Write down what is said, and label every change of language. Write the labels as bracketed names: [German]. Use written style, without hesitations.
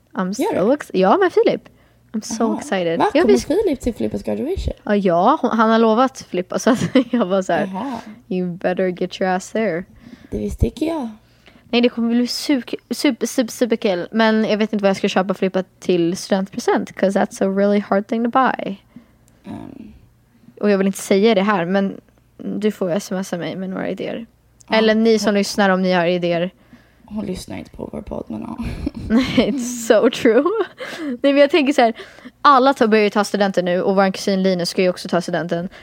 [English] I'm so excited. [Swedish] Ja, med Filip. [English] I'm so excited. [Swedish] Va? Kommer Filip till Filippas graduation? Ja, han har lovat Filippa. Så att jag bara så här, [English] you better get your ass there. [Swedish] Det visste inte jag. Nej, det kommer bli super kill. Men jag vet inte vad jag ska köpa Filippa till studentpresent. [English] Because that's a really hard thing to buy. [Swedish] Och jag vill inte säga det här, men du får smsa mig med några idéer. Eller ni som lyssnar om ni har idéer. Hon lyssnar inte på vår podd, men ja. Nej, [English] it's so true. [Swedish] Nej, men jag tänker så här. Alla börjar ju ta studenten nu. Och vår kusin Linus ska ju också ta studenten.